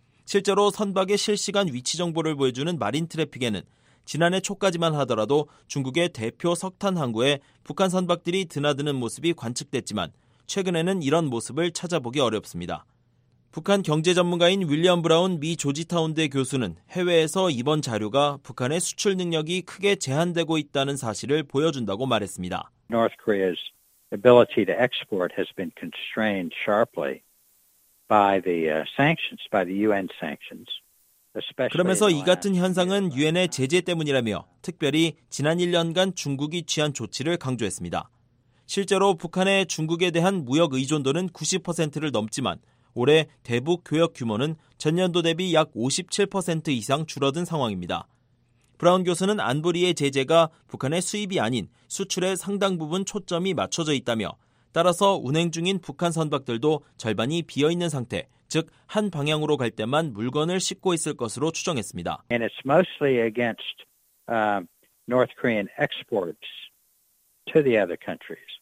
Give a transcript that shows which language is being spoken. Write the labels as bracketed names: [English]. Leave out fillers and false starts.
[Korean] 실제로 선박의 실시간 위치 정보를 보여주는 마린 트래픽에는 지난해 초까지만 하더라도 중국의 대표 석탄 항구에 북한 선박들이 드나드는 모습이 관측됐지만 최근에는 이런 모습을 찾아보기 어렵습니다. 북한 경제 전문가인 윌리엄 브라운 미 조지타운대 교수는 해외에서 이번 자료가 북한의 수출 능력이 크게 제한되고 있다는 사실을 보여준다고 말했습니다. [English] North Korea's ability to export has been constrained sharply by the sanctions, by the UN sanctions. [Korean] 그러면서 이 같은 현상은 유엔의 제재 때문이라며 특별히 지난 1년간 중국이 취한 조치를 강조했습니다. 실제로 북한의 중국에 대한 무역 의존도는 90%를 넘지만 올해 대북 교역 규모는 전년도 대비 약 57% 이상 줄어든 상황입니다. 브라운 교수는 안보리의 제재가 북한의 수입이 아닌 수출의 상당 부분 초점이 맞춰져 있다며 따라서 운행 중인 북한 선박들도 절반이 비어있는 상태, 즉 한 방향으로 갈 때만 물건을 싣고 있을 것으로 추정했습니다. [English] And it's mostly against North Korean exports to the other countries.